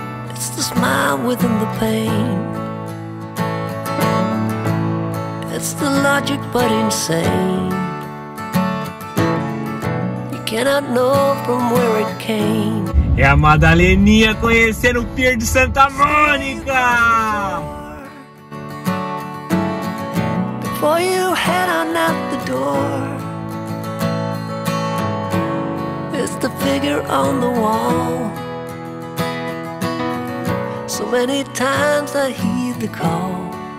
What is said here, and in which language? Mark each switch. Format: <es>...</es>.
<en>It's the smile within the pain. It's the logic but insane. You cannot know from where it came.</en> <pt>É a Madaleninha conhecendo o Pier de Santa Mônica!</pt> <en>Before you head on out the door, it's the figure on the wall. So many times I heed the call.</en>